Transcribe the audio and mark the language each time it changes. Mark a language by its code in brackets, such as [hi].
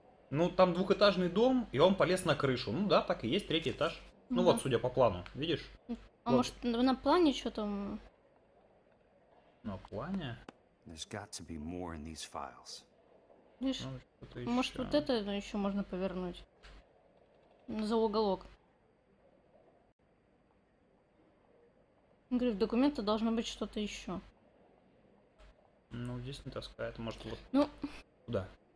[ru] Ну, там двухэтажный дом, и он полез на крышу. Ну да, так и есть, третий этаж. Ну вот, судя по плану, видишь? А вот. Может, на плане что там? На плане? [en] There's got to be more in these files. [ru] Видишь, может, вот это еще можно повернуть? За уголок. Говорю, в документы должно быть что-то еще. Ну, здесь не таскает, может, вот. Ну. Куда?